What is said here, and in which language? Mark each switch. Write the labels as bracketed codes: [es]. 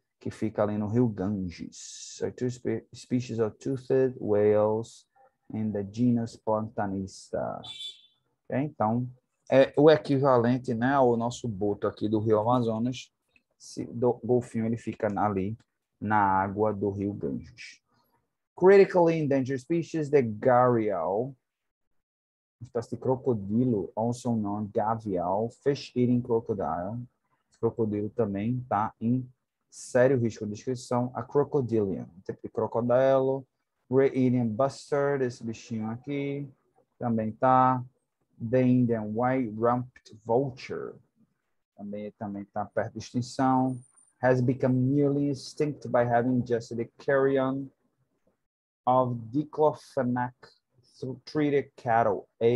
[pt] Que fica ali no rio Ganges. [en] So two species of toothed whales in the genus Platanista. Okay? [pt] Então, é o equivalente, né, ao nosso boto aqui do rio Amazonas. Se, do golfinho, ele fica ali na água do rio Ganges. [en] Critically endangered species, the gavial, [pt] espécie de crocodilo, [en] also known gavial, fish-eating crocodile. [pt] Esse crocodilo também está em sério risco de extinção. A crocodilian, tipo de crocodilo. Gray-eating bustard, esse bichinho aqui, também está. The Indian white-rumped vulture, também está perto de extinção. [en] Has become nearly extinct by having just the carrion of diclofenac-treated cattle.